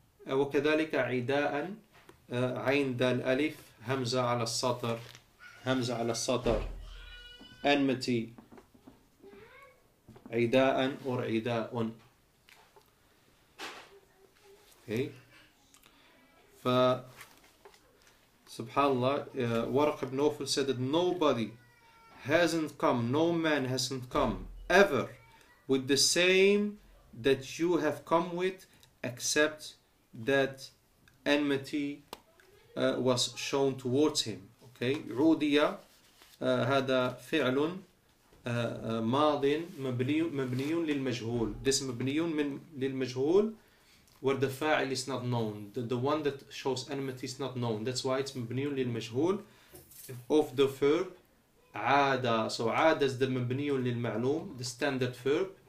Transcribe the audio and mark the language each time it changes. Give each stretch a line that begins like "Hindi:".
Arabic: وكذلك عداء, عين دال ألف همزة على السطر, همزة على السطر, enmity, عداء or عداء. Okay.
English: سبحان الله ورق بن نوفل said that nobody hasn't come, no man hasn't come ever with the same that you have come with except that enmity was shown towards him.
Arabic: Okay, عودية هذا فعل ماض مبني للمجهول.
English: This مبني من للمجهول where the فاعل is not known. The one that shows enmity is not known. That's why it's مبني للمجهول of the verb عادة. So عادة is the مبني للمعلوم, the standard verb.